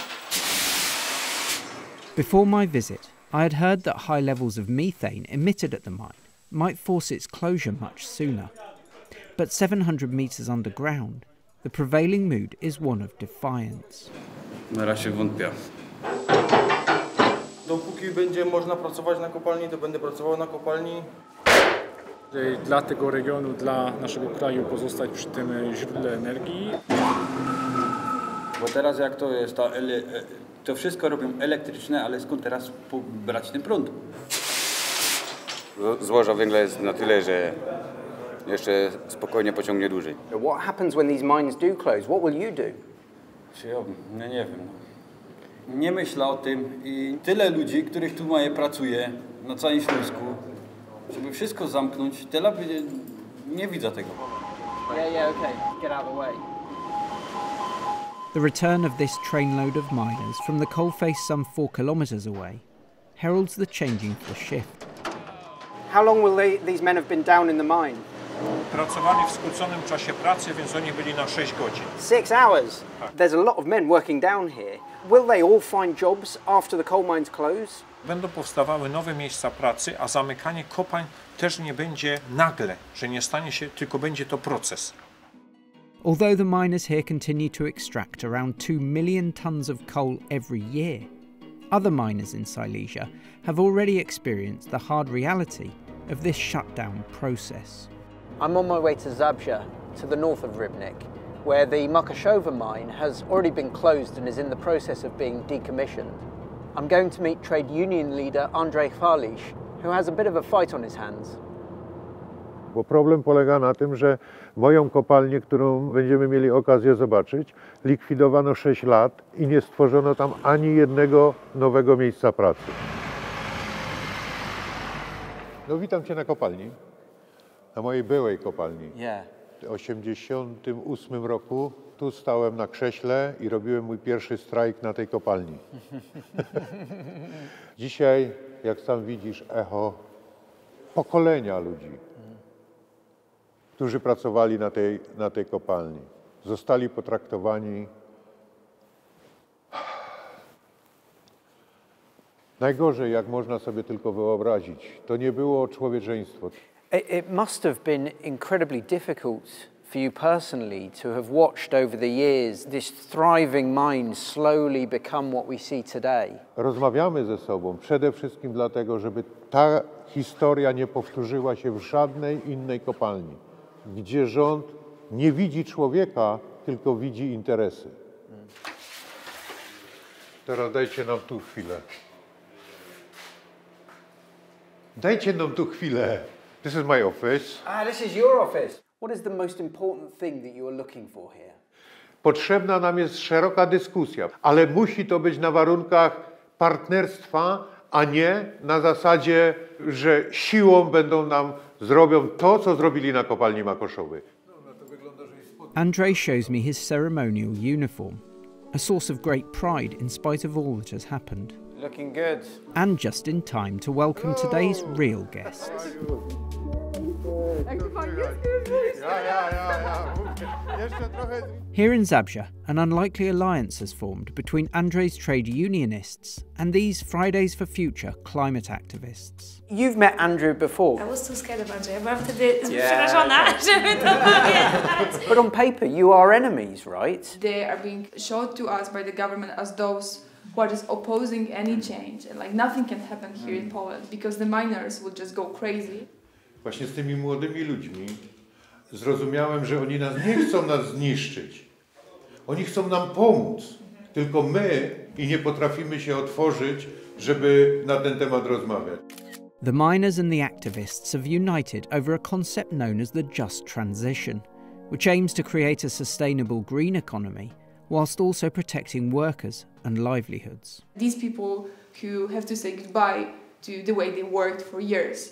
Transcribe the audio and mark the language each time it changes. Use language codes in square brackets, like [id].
[en] Before my visit, I had heard that high levels of methane emitted at the mine might force its closure much sooner. But 700 metres underground, the prevailing mood is one of defiance. [pl] Na razie wątpię. Dopóki będzie można pracować na kopalni, to będę pracował na kopalni. Dla tego regionu, dla naszego kraju pozostać przy tym źródle energii. Bo teraz jak to jest ta to wszystko robią elektryczne, ale skąd teraz brać ten prąd? Złoża węgla jest na tyle, że jeszcze spokojnie pociągnie dłużej. [en] What happens when these mines do close? What will you do? [pl] Ja nie wiem. Nie myślę o tym i tyle ludzi, których tu mają pracuje na całym Śląsku, żeby wszystko zamknąć, tyle by nie widzę tego. [en] Yeah, okay. Get out of the way. The return of this trainload of miners from the coal face some 4 kilometres away heralds the changing of the shift. How long will these men have been down in the mine? [pl] Pracowali w skróconym czasie pracy, więc oni byli na 6 godzin. [en] 6 hours? There's a lot of men working down here. Will they all find jobs after the coal mines close? [pl] Będą powstawały nowe miejsca pracy, a zamykanie kopalń też nie będzie nagle, że nie stanie się, tylko będzie to proces. [en] Although the miners here continue to extract around 2 million tons of coal every year, other miners in Silesia have already experienced the hard reality of this shutdown process. I'm on my way to Zabrze, to the north of Rybnik, where the Makoszowy mine has already been closed and is in the process of being decommissioned. I'm going to meet trade union leader Andrzej Falisz, who has a bit of a fight on his hands. [pl] Bo problem polega na tym, że moją kopalnię, którą będziemy mieli okazję zobaczyć, likwidowano 6 lat i nie stworzono tam ani jednego nowego miejsca pracy. No witam cię na kopalni, na mojej byłej kopalni. W 1988 roku tu stałem na krześle i robiłem mój pierwszy strajk na tej kopalni. Dzisiaj, jak sam widzisz, echo pokolenia ludzi, którzy pracowali na tej kopalni. Zostali potraktowani najgorzej, jak można sobie tylko wyobrazić. To nie było człowieczeństwo. [en] It must have been incredibly difficult for you personally to have watched over the years this thriving mine slowly become what we see today. [pl] Rozmawiamy ze sobą przede wszystkim dlatego, żeby ta historia nie powtórzyła się w żadnej innej kopalni, gdzie rząd nie widzi człowieka, tylko widzi interesy. Teraz dajcie nam tu chwilę. Dajcie nam tu chwilę. [en] This is my office. Ah, this is your office. What is the most important thing that you are looking for here? [pl] Potrzebna nam jest szeroka dyskusja, ale musi to być na warunkach partnerstwa, a nie na zasadzie, że siłą będą nam zrobią to, co zrobili na kopalni Makoszowy. [en] Andrzej shows me his ceremonial uniform, a source of great pride in spite of all that has happened. Looking good. And just in time to welcome today's real guests. Yeah. Here in Zabrze, an unlikely alliance has formed between Andrzej's trade unionists and these Fridays for Future climate activists. You've met Andrew before. I was too scared of Andrzej, I'm after the But on paper, you are enemies, right? They are being shown to us by the government as those who are just opposing any change. And like nothing can happen here in Poland because the miners will just go crazy. [pl] Właśnie z tymi młodymi ludźmi zrozumiałem, że oni nas nie chcą nas zniszczyć. Oni chcą nam pomóc, tylko my i nie potrafimy się otworzyć, żeby na ten temat rozmawiać. [en] The miners and the activists have united over a concept known as the just transition, which aims to create a sustainable green economy whilst also protecting workers and livelihoods. These people who have to say goodbye to the way they worked for years.